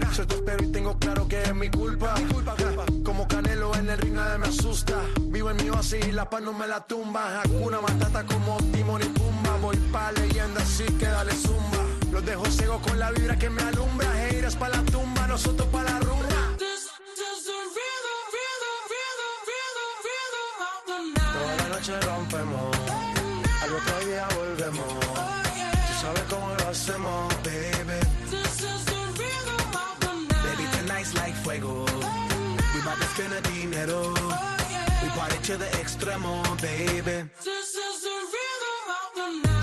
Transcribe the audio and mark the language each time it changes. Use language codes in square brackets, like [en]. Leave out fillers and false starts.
[es] Yo te espero y tengo claro que es mi culpa. Mi culpa, culpa. Como Canelo en el ring, nadie me asusta. Vivo en mi oasis y la paz no me la tumba. Hakuna Matata como Timón y Pumba. Voy pa' leyenda, así que dale zumba. Los dejo ciego con la vibra que me alumbra. Haters pa' la tumba, nosotros pa' la rumba. [en] This is the rhythm, rhythm, rhythm, rhythm, rhythm of the night. [es] Toda la noche rompemos. Todavía volvemos. [en] Oh, yeah. [es] Tú sabes cómo lo hacemos, baby. [en] This is the rhythm of the night. Baby, tonight's like fuego. Oh, we bought the spin of dinero. Oh, yeah. We party to the extremo, baby. This is the rhythm of the night.